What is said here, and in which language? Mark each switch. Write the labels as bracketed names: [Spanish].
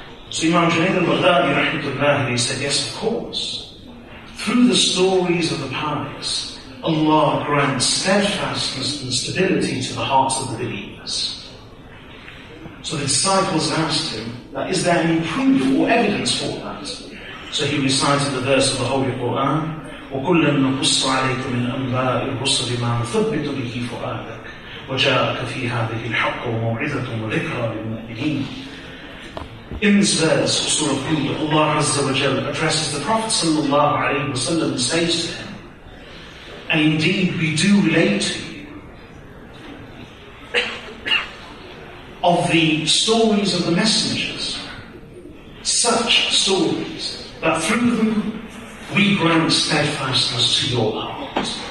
[English] So Imam Junayd al-Baghdadi, rahmatullahi, said, yes, of course. Through the stories of the pious, Allah grants steadfastness and stability to the hearts of the believers. So the disciples asked him, is there any proof or evidence for that? So he recited the verse of the Holy Quran, [Arabic] وَكُلَّا نَقُصَّ عَلَيْكُمْ مِنْ أَنْبَاءِ الرُّسُلِ مَا نُثَبِّتُ بِهِ فُؤَادَكَ وَجَاءَكَ فِي هَذِهِ الْحَقُّ وَمَوْعِظَةٌ وَذِكْرَى لِلْمُؤْمِنِينَ. [English] In this verse, Surah Hud, Allah Azza wa Jal addresses the Prophet sallallahu alayhi wa sallam and says to him, and indeed we do relate of the stories of the messengers, such stories that through them we grant steadfastness to your heart.